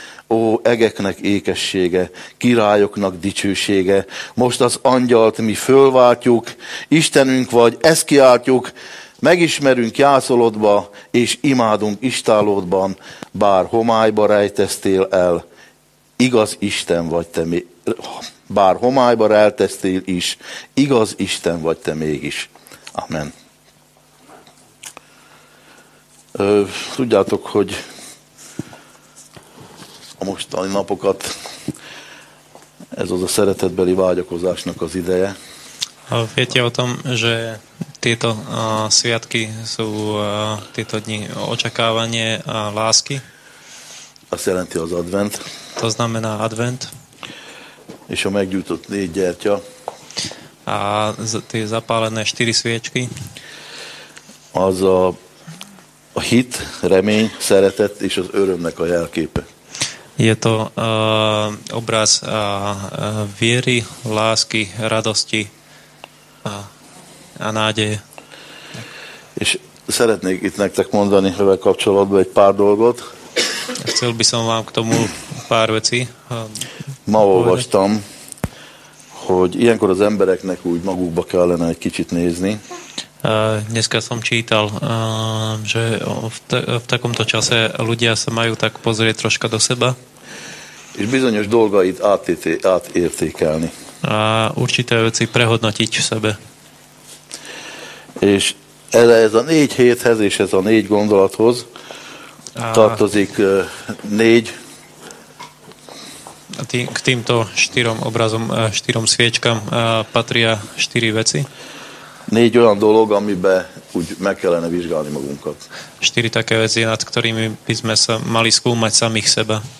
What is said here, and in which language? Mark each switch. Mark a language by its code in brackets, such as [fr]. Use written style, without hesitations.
[hu] Ó, egeknek ékessége, királyoknak dicsősége, most az angyalt mi fölváltjuk, Istenünk vagy, ezt kiáltjuk, megismerünk jászolodba, és imádunk istálódban, bár homályba rejtesztél el, igaz Isten vagy te, bár homályba rejtesztél is, igaz Isten vagy te mégis. Amen. Tudjátok, hogy a mostani napokat ez az a szeretetbeli vágyakozásnak az ideje. [sk] Viete o tom, že tieto sviatky sú tieto dni očakávanie lásky? [hu] Azt jelenti az advent. [sk] To znamená advent. [hu] És a meggyújtott négy gyertya. [sk] A tie zapálené štyri sviečky. [hu] Az a hit, remény, szeretet és az örömnek a jelképe. [sk] Je to obraz viery, lásky, radosti a nádeje. [hu] És szeretnék itt nektek mondani ezzel kapcsolatban egy pár dolgot. [sk] Chcel by som vám k tomu pár veci. [hu] Ma olvastam, hogy ilyenkor az embereknek úgy magukba kellene egy kicsit nézni. [sk] Dneska som čítal, že v takomto čase ľudia sa majú tak pozrieť troška do seba. [hu] És bizonyos dolgait átértékelni. [sk] A určité veci prehodnotiť v sebe. [hu] És ez a négy héthez és ez a négy gondolathoz tartozik négy. [sk] K týmto štyrom obrazom, štyrom sviečkam patria štyri veci. [hu] Négy olyan dolog, amiben úgy meg kellene vizsgálni magunkat. [sk] Štyri také veci, nad ktorými by sme sa mali skúmať samých seba.